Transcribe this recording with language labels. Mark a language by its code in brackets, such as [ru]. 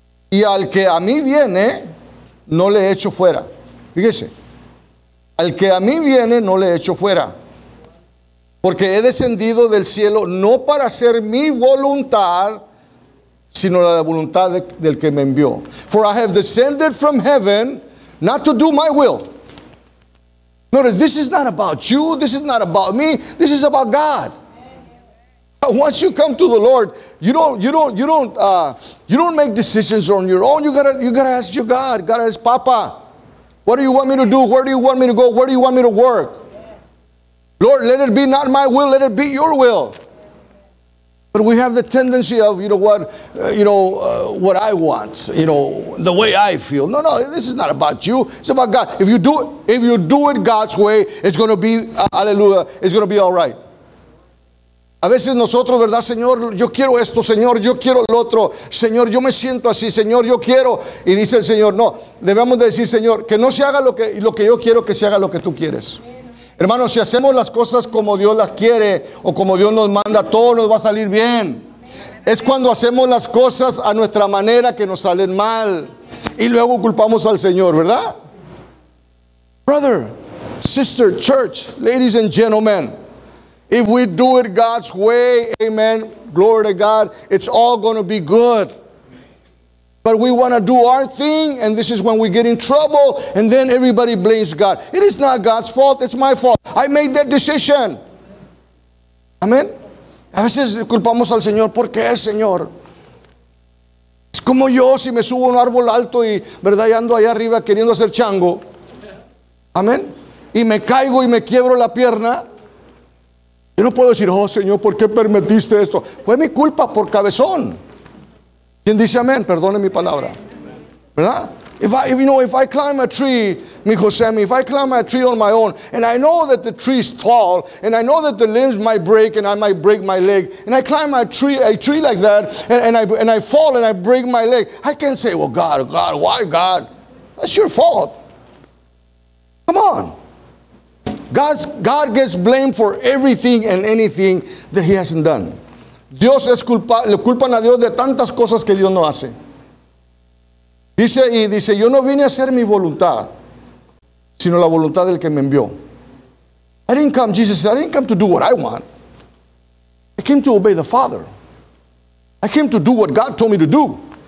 [es] Y al que a mí viene, no le echo fuera. Fíjese, al que a mí viene, no le echo fuera. Porque he descendido del cielo, no para hacer mi voluntad, sino la voluntad del que me envió. [en] For I have descended from heaven, not to do my will. Notice, this is not about you, this is not about me, this is about God. Once you come to the Lord, you don't make decisions on your own. You gotta ask your God, gotta ask Papa, what do you want me to do? Where do you want me to go? Where do you want me to work? Lord, let it be not my will, let it be your will. But we have the tendency of, what I want, the way I feel. No, this is not about you. It's about God. If you do it God's way, it's going to be, hallelujah, it's going to be all right. [es] A veces nosotros, ¿verdad, Señor? Yo quiero esto, Señor, yo quiero el otro. Señor, yo me siento así, Señor, yo quiero. Y dice el Señor, no, debemos decir, Señor, que no se haga lo que yo quiero, que se haga lo que tú quieres. Hermanos, si hacemos las cosas como Dios las quiere o como Dios nos manda, todo nos va a salir bien. Es cuando hacemos las cosas a nuestra manera que nos salen mal y luego culpamos al Señor, ¿verdad? [en] Brother, sister, church, ladies and gentlemen, if we do it God's way, amen, glory to God, it's all going to be good. But we want to do our thing, and this is when we get in trouble, and then everybody blames God. It is not God's fault, it's my fault. I made that decision. Amen. [es] A veces culpamos al Señor, ¿por qué, Señor? Es como yo si me subo a un árbol alto y, ¿verdad?, y ando allá arriba queriendo hacer chango. Amen. Y me caigo y me quiebro la pierna. Yo no puedo decir, oh Señor, ¿por qué permitiste esto? Fue mi culpa por cabezón. ¿Quién dice amén? Perdone mi palabra. ¿Verdad? [en] If I climb a tree, mi José, if I climb a tree on my own, and I know that the tree is tall, and I know that the limbs might break, and I might break my leg, and I climb a tree like that, and I fall, and I break my leg, I can't say, well, God, why God? That's your fault. Come on. God gets blamed for everything and anything that he hasn't done. [es] Dios es culpable, le culpan a Dios de tantas cosas que Dios no hace. Dice, yo no vine a hacer mi voluntad, sino la voluntad del que me envió. [en] I didn't come, Jesus said, I didn't come to do what I want. I came to obey the Father. I came to do what God told me to do.